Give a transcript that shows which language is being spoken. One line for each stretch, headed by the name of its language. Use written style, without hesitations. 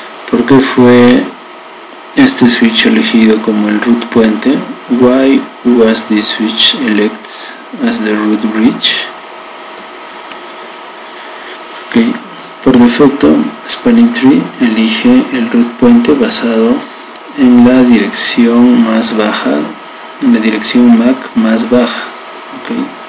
Spanish: creo que fue este switch elegido como el root puente.
English: Why was this switch elected as the root bridge? Okay.
Spanish: Por defecto, Spanning Tree elige el root puente basado en la dirección más baja, en la dirección MAC más baja.
English: Okay.